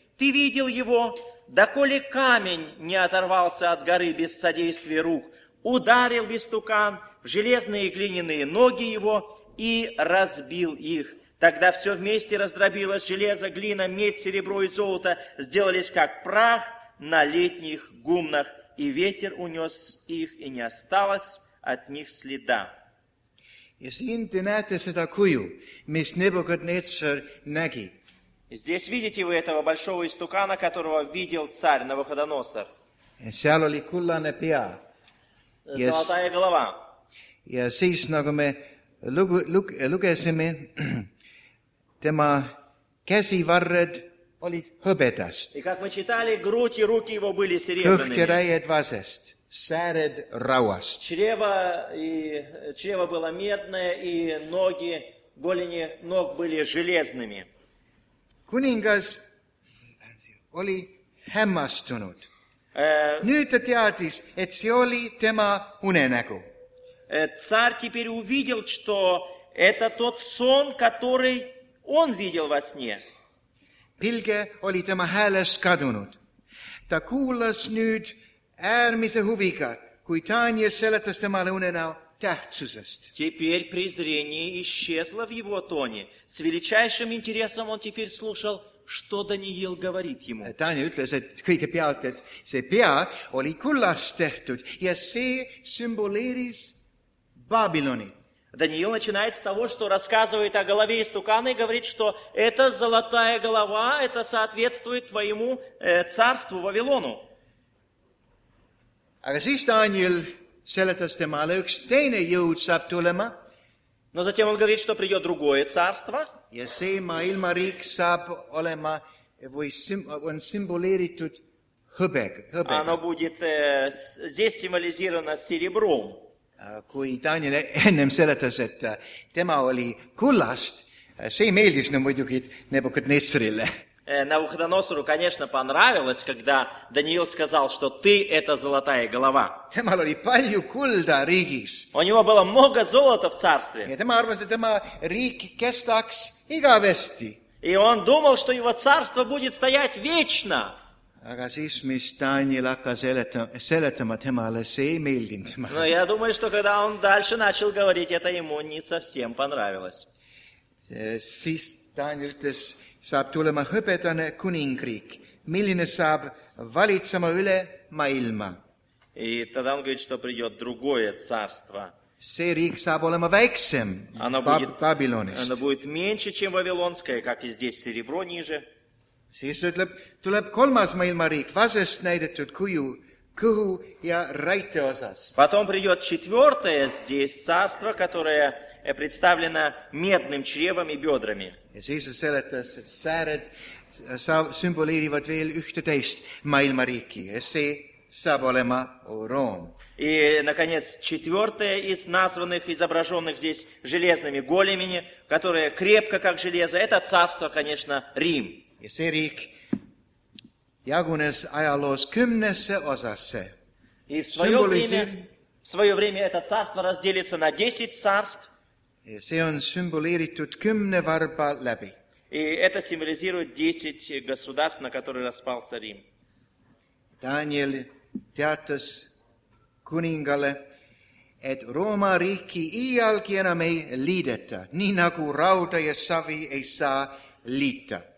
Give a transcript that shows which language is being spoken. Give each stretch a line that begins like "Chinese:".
Russian: Ты видел его, доколе камень не оторвался от горы без содействия рук, ударил в истукан в железные и глиняные ноги его и разбил их. Тогда все вместе раздробилось, железо, глина, медь, серебро и золото сделались как прах, на летних гумнах, и ветер унес их, и не осталось от них следа.
Estonian: Ja siin te näete seda kuju, mis Nebukadnetsar nägi.
Russian: Здесь видите вы этого большого истукана, которого видел царь Навуходоносор.
Estonian: Ja seal oli kullane pea.
Russian: Золотая голова.
Estonian: Ja siis, nagu me lugesime, tema käsivarred, olid hõbedast.
Russian: И как мы читали, грудь и руки его были серебряными.
Estonian: Vasest, sääred rauast.
Russian: Чрево было медное, и ноги, голени ног были железными.
Estonian: Kuningas oli hämmastunud. Nüüd ta teadis, et see oli tema unenägu.
Russian: Царь теперь увидел, что это тот сон, который он видел во сне.
Estonian: Pilge oli tema hääles kadunud. Ta kuulas nüüd äärmise huviga, kui Daniel seletas temale unenäo, tähtsusest.
Russian: Теперь презрение исчезло в его тоне. С величайшим интересом он теперь слушал, что Даниил говорит ему.
Estonian: Таня ütles, et kõigepealt, et see pea oli kullast tehtud ja see symboliseeris Babyloni.
Russian: Даниил начинает с того, что рассказывает о голове истукана и говорит, что эта золотая голова, это соответствует твоему царству Вавилону.
Estonian: Aga siis Daniel seletas temale üks teine jõud saab tulema.
Russian: Но затем он говорит, что придет другое царство.
Estonian: Ja see maailma riik saab olema või on symboliseeritud hõbega.
Russian: Оно будет здесь символизировано серебром.
Estonian: Kui Daniel ennem seletas, et tema oli kullast, see meeldis muidugi Nebukadnessarile.
Russian: Навуходоносору, конечно, понравилось, когда Даниил сказал, что ты – это золотая голова.
Estonian: Temal oli palju kulda riigis.
Russian: У него было много золота в царстве.
Estonian: Ja tema arvas, et tema riik kestaks igavesti.
Russian: И он думал, что его царство будет стоять вечно.
Estonian: Aga siis, mis Daniel hakkas seletama temale, see ei meeldinud temale.
Russian: No, я думаю, что когда он дальше начал говорить, это ему не совсем понравилось.
Estonian: Siis Daniel ütles, saab tulema hõbedane kuningriik, milline saab valitsema üle maailma.
Russian: И тогда он говорит, что придет другое царство.
Estonian: See riik saab olema väiksem Babylonist.
Russian: Оно будет меньше, чем Вавилонское, как и здесь серебро ниже.
Estonian: Siis ütleb, tuleb kolmas maailma riik, vasest näidetud kuju, kõhu ja raite osas.
Russian: Потом придет четвертое здесь царство, которое представлено медным чревом и бедрами.
Estonian: Ja siis seletas, et sääred sümboliirivad veel ühte teist maailma riiki. Ja see saab olema Room.
Russian: И, наконец, четвертое из названных, изображенных здесь железными големини, которое крепко, как железо, это царство, конечно, Рим.
Estonian: Ja see riik jagunes ajaloos kümnesse osasse.
Russian: И в свое время это царство разделится на 10 царств.
Estonian: Ja see on symboliseeritud kümne varba läbi.
Russian: И это символизирует 10 государств, на которые распался Рим.
Estonian: Daniel teatas kuningale, et Rooma riiki iialgi enam ei liideta, nii nagu rauda ja savi ei saa liita.